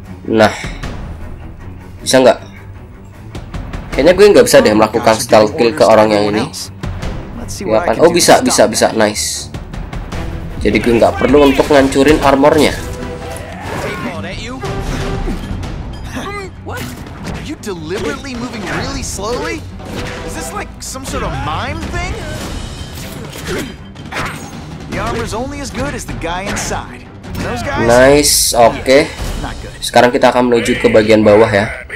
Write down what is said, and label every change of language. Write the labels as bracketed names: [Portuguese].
[Indonesian] Nah. Bisa nggak? Kayaknya gue nggak bisa deh melakukan stealth kill ke orang yang ini. Oh, bisa, bisa, bisa. Nice. Jadi gue nggak perlu untuk ngancurin armornya. [English] Deliberately moving really slowly? Is this like some sort of mime thing? The armor's only as good as the guy inside. Those guys? Nice, okay. [Indonesian] Sekarang kita akan menuju ke bagian bawah ya.